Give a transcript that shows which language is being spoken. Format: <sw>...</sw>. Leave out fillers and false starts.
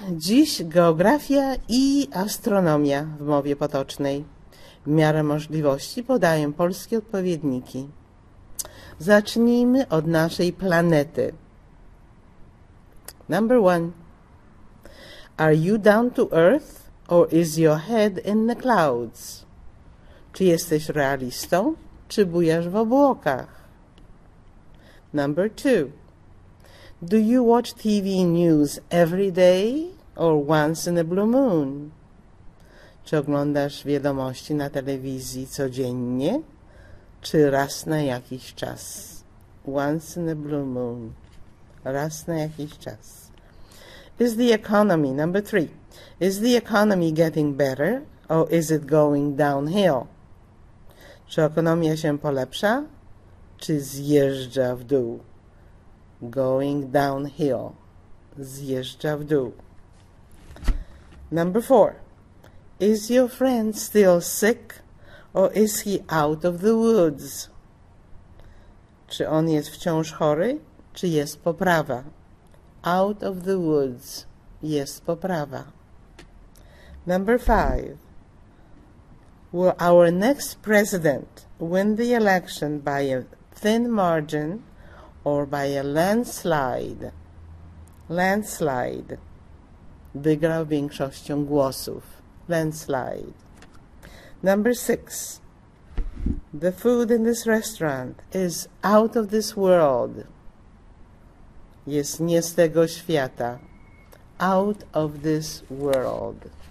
<pl>Dziś geografia i astronomia w mowie potocznej. W miarę możliwości podaję polskie odpowiedniki. Zacznijmy od naszej planety.</pl> <en>Number one. Are you down to earth or is your head in the clouds?</en> <pl>Czy jesteś realistą, czy bujasz w obłokach?</pl> <en>Number two. Do you watch TV news every day or once in a blue moon?</en> <pl>Czy oglądasz wiadomości na telewizji codziennie, czy raz na jakiś czas?</pl> <en>Once in a blue moon.</en> <pl>Raz na jakiś czas.</pl> <en>Is the economy, number three, is the economy getting better or is it going downhill?</en> <pl>Czy ekonomia się polepsza, czy zjeżdża w dół?</pl> <en>Going downhill.</en> <pl>Zjeżdża w dół.</pl> <en>Number four. Is your friend still sick or is he out of the woods?</en> <pl>Czy on jest wciąż chory, czy jest poprawa?</pl> <en>Out of the woods.</en> <pl>Jest poprawa.</pl> <en>Number five. Will our next president win the election by a thin margin or by a landslide? Landslide.</en> <pl>Wygrał większością głosów.</pl> <en>Landslide. Number six. The food in this restaurant is out of this world.</en> <pl>Jest nie z tego świata.</pl> <en>Out of this world.</en>